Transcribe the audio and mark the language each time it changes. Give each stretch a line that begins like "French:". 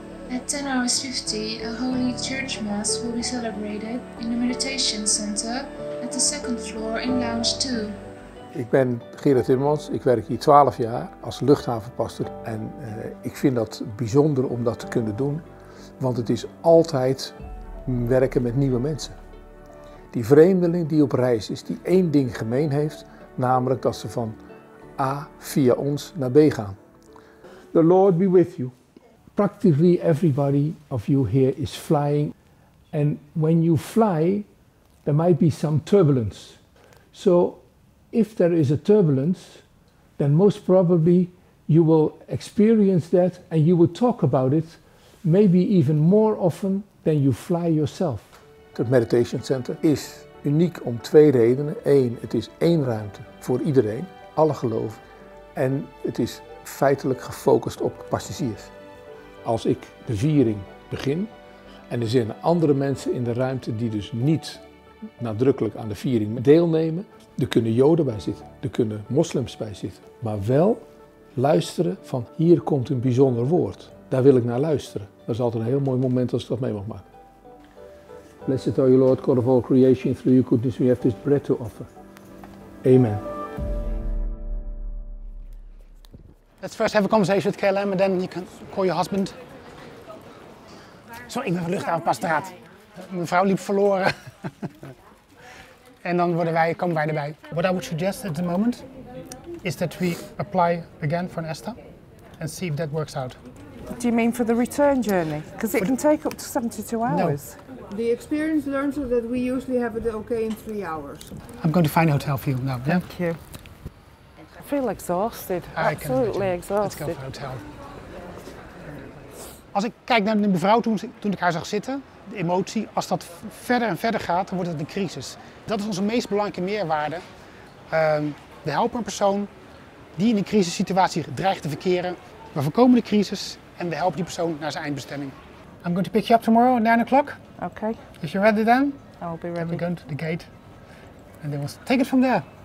English: At 10:50, a holy church mass will be celebrated in the meditation center at the second floor in lounge 2.
Dutch: Ik ben Gerard Timmermans, ik werk hier 12 jaar als luchthavenpastor en ik vind dat bijzonder om dat te kunnen doen, want het is altijd werken met nieuwe mensen. Die vreemdeling die op reis is, die één ding gemeen heeft, namelijk dat ze van A via ons naar B gaan.
English: The Lord be with you. Practically everybody of you here is flying and when you fly, there might be some turbulence. So if there is a turbulence, then most probably you will experience that and you will talk about it maybe even more often than you fly yourself. The meditation center is
Dutch: uniek om twee redenen. Eén, het is één ruimte voor iedereen, alle geloven. En het is feitelijk gefocust op passagiers. Als ik de viering begin en er zijn andere mensen in de ruimte die dus niet nadrukkelijk aan de viering deelnemen, er kunnen Joden bij zitten, er kunnen moslims bij zitten, maar wel luisteren van hier komt een bijzonder woord, daar wil ik naar luisteren. Dat is altijd een heel mooi moment als ik dat mee mag maken.
English: Blessed are you, Lord, God of all creation, through your goodness we have this bread to offer. Amen. Let's first have a conversation with KLM and then you can call your husband.
Dutch: Sorry, ik ben van luchthavenpastoraat. Mevrouw liep verloren. En dan komen wij erbij.
English: What I would suggest at the moment is that we apply again for an ESTA and see if that works out. Do you mean for the return journey? Because it can take up to 72 hours. No. The experience learns that we usually have it okay in 3 hours. I'm going to find a hotel for you now. Thank you. I feel exhausted. Absolutely exhausted. Let's go for a hotel.
Dutch: Als ik kijk naar de mevrouw toen ik haar zag zitten, de emotie, als dat verder en verder gaat, dan wordt het een crisis. Dat is onze meest belangrijke meerwaarde. We helpen een persoon die in een crisissituatie dreigt te verkeren. We voorkomen de crisis en we helpen die persoon naar zijn eindbestemming.
English: I'm going to pick you up tomorrow at 9 o'clock. Okay. If you're ready then, I'll be ready. Then we go to the gate and then we'll take it from there.